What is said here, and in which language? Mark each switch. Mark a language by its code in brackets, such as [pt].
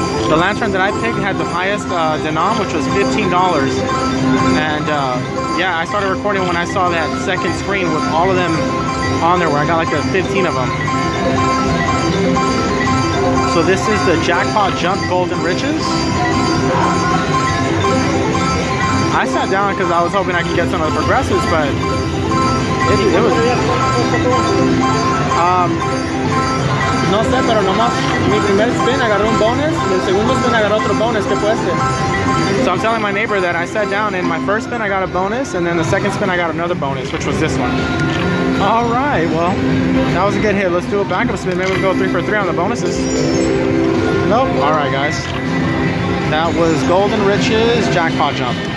[en] The lantern that I picked had the highest denom, which was $15. And yeah, I started recording when I saw that second screen with all of them on there, where I got like the 15 of them. So this is the Jackpot Jump Golden Riches. I sat down because I was hoping I could get some of the progressives, but it was... [es] No sé, pero nomás mi primer spin agarró un bonus y el segundo spin agarró otro bonus. ¿Qué fue este? [en] So I'm telling my neighbor that I sat down and my first spin I got a bonus, and then the second spin I got another bonus, which was this one. All right, well, that was a good hit. Let's do a backup spin. Maybe we'll go 3 for 3 on the bonuses. Nope. All right, guys. That was Golden Riches Jackpot Jump.